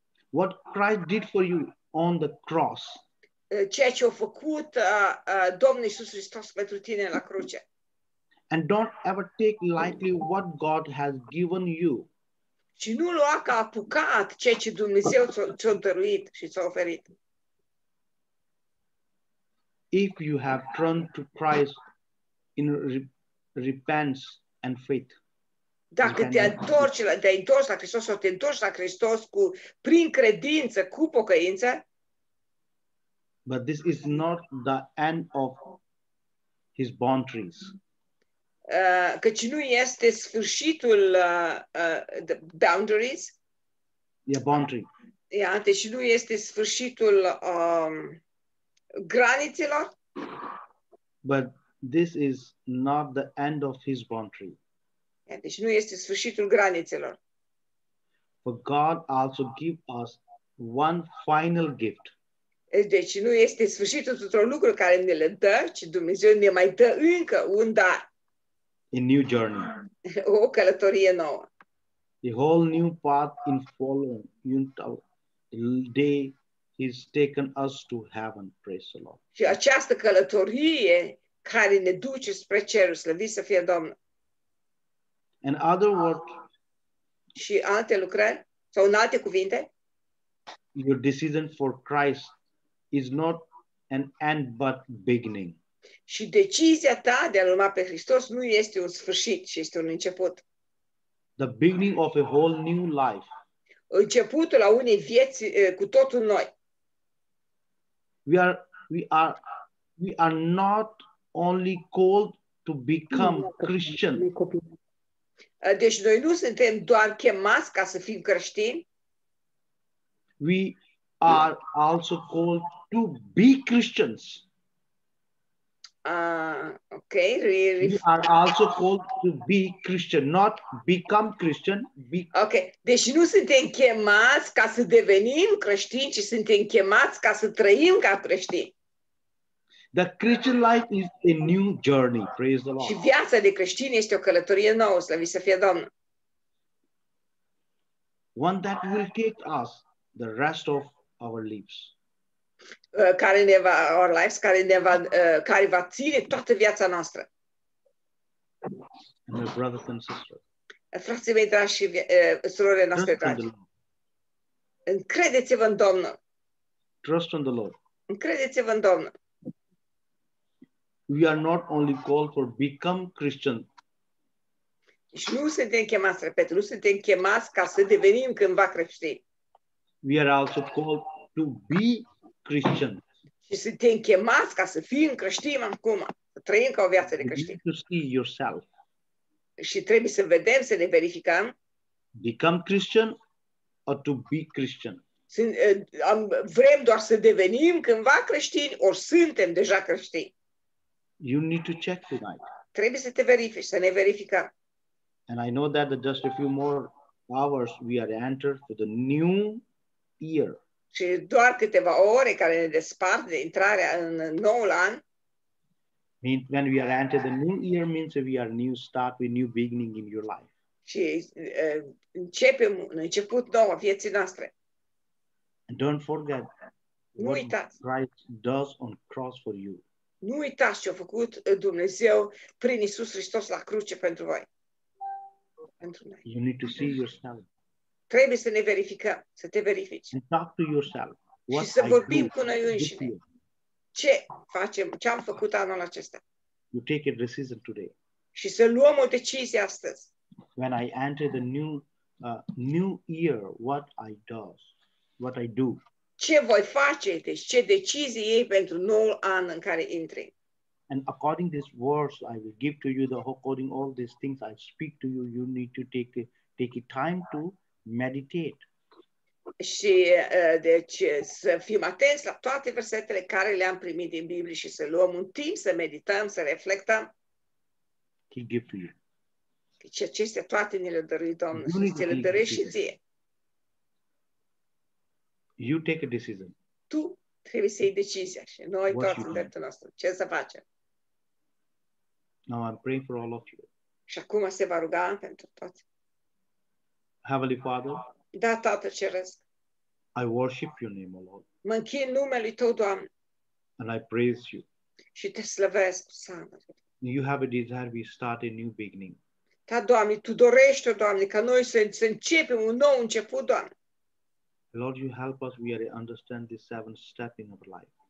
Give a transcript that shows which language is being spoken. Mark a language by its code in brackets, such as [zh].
[en] What Christ did for you on the cross. [ro] Ceea ce a făcut Domnul Iisus Hristos pentru tine la cruce. [en] And don't ever take lightly what God has given you. [ro] Și nu lua ca apucat ceea ce Dumnezeu ți-a dăruit și ți-a oferit. [en] If you have turned to Christ in repentance and faith. [ro] Dacă te-ai întors la Hristos sau te întorci la Hristos cu prin credință, cu pocăință. [en] But this is not the end of his boundaries. [ro] Căci nu este sfârșitul [en] the boundaries. Yeah, boundary. [ro] Yeah, deci nu este sfârșitul granițelor. [en] But this is not the end of his boundary. [ro] Deci nu este sfârșitul granițelor. [en] For God also give us one final gift. [ro] Deci nu este sfârșitul tuturor lucrurilor care ne le dă, ci Dumnezeu ne mai dă încă un dar. [en] A new journey. [ro] O călătorie nouă. [en] A whole new path in following the day he's taken us to heaven, praise the Lord. [ro] Și această călătorie care ne duce spre cerul, slăvit să fie Domnul. [en] In other words, [ro] și alte lucrări sau în alte cuvinte, [en] your decision for Christ is not an end but beginning. [ro] Și decizia ta de a-L urma pe Hristos nu este un sfârșit, ci este un început. [en] The beginning of a whole new life. [ro] Începutul a unei vieți cu totul noi. [en] We are not only called to become Christian. [ro] Deci noi nu suntem doar chemați ca să fim creștini. [en] We are also called to be Christians. Okay, really. We are also called to be Christian, not become Christian. [ro] Okay, deci nu suntem chemați ca să devenim creștini, ci suntem chemați ca să trăim ca creștini. [en] The Christian life is a new journey. Praise the Lord. [ro] Și viața de creștin este o călătorie nouă, slăviți să fie Domnul. [en] One that will take us the rest of our lives. [ro] Care ne va, [en] our lives, [ro] care ne va, care va ține toată viața noastră. [en] And my brothers and sisters. [ro] Frații mei dragi și surorile noastre dragi. Încredeți-vă în Domnul. [en] Trust in the Lord. [ro] Încredeți-vă în Domnul. [en] We are not only called for become Christian. [ro] Și nu suntem chemați, repet, nu suntem chemați ca să devenim cândva creștini. [en] We are also called to be Christian. [ro] Și suntem chemați ca să fim creștini acum, să trăim ca o viață de creștini. [en] You need to see yourself. [ro] Și trebuie să vedem, să ne verificăm. [en] Become Christian or to be Christian. [ro] Vrem doar să devenim cândva creștini ori suntem deja creștini. [en] You need to check tonight. [ro] Trebuie să te verifici, să ne verificăm. [en] And I know that just a few more hours we are entered to the new year. [ro] Și doar câteva ore care ne despart de intrarea în noul an. [en] When we are entered the new year means we are new start, we new beginning in your life. [ro] Și începem un început nou a vieții noastre. [en] And don't forget [ro] nu uitați. [en] What Christ does on cross for you. [ro] Nu uitați ce a făcut Dumnezeu prin Iisus Hristos la cruce pentru voi. Pentru noi. [en] You need to see yourself. [ro] Trebuie să ne verificăm, să te verifici. [en] And talk to yourself. What [ro] și să I vorbim cu noi înșine. Ce facem? Ce am făcut anul acesta? [en] You take a decision today. [ro] Și să luăm o decizie astăzi. [en] When I enter the new new year, what I do? What I do? [ro] Ce voi face? Deci ce decizie iei pentru noul an în care intri? [en] And according this verse I will give to you the according all these things I speak to you, you need to take time to meditate. [ro] Și deci să fim atenți la toate versetele care le-am primit din Biblie și să luăm un timp să medităm, să reflectăm. [en] He give to you. [ro] Deci acestea toate ne le dărui Domnul și ți le dărești și ție. [en] You take a decision. [ro] Tu trebuie să iei decizia și noi toți în dreptul nostru. Ce să facem? [en] Now I'm praying for all of you. [ro] Și acum se va ruga pentru toți. [en] Heavenly Father. [ro] Da, Tată Ceresc. [en] I worship your name, O Lord. [ro] Mă închin numele Tău, Doamne. [en] And I praise you. [ro] Și te slăvesc, Doamne. [en] You have a desire we start a new beginning. [ro] Da, Doamne, Tu dorești, Doamne, ca noi să începem un nou început, Doamne. [en] Lord, you help us we are understand this seventh step in our life.